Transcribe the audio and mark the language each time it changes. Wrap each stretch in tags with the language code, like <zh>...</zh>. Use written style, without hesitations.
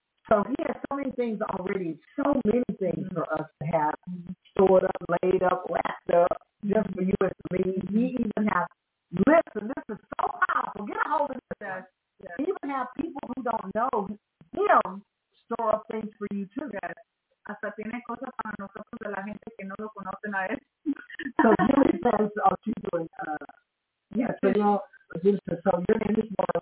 <en>So he has so many things already, so many things for us to have stored up, laid up, wrapped up, just for you and for me. He even has, listen, this is so powerful. Get a hold of this. Yes. Even have people who don't know him store up things for you too. Yes.</en> <es>Hasta tiene cosas para nosotros de la gente que no lo conocen a él.</es> <en>So Jimmy says, oh, she's doing, yeah, so you know, so your name is Marla.</en>